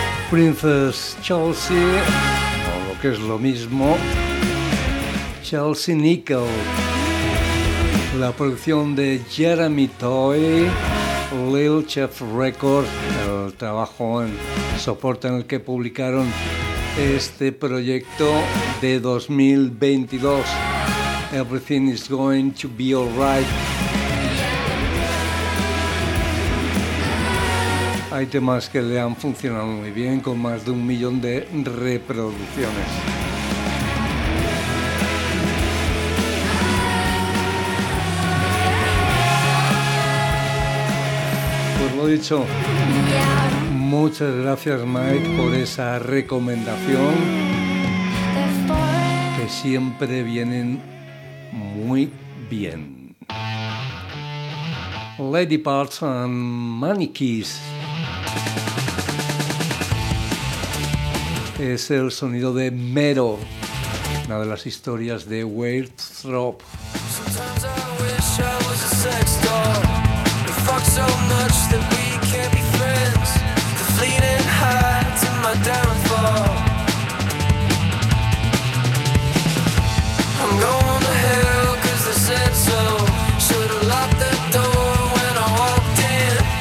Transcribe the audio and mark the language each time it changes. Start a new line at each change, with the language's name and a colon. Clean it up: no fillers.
Spanish: Princess Chelsea, o lo que es lo mismo, Chelsea Nickel, la producción de Jeremy Toy, Lil Chef Records, el trabajo en soporte en el que publicaron este proyecto de 2022.
English: Everything is going to be alright.
Spanish: Hay temas que le han funcionado muy bien, con más de 1 millón de reproducciones. Pues lo dicho, muchas gracias Mike por esa recomendación, que siempre vienen muy bien.
English: Lady Parts and Mannequins.
Spanish: Es el sonido de Mero, una de las historias de Weirdthrop.
English: Sometimes I wish I was a sex doll. We fuck so much that we can't be friends. The fleeting hides in my downfall. I'm going to hell cause they said so. Should've locked the door when I walked in.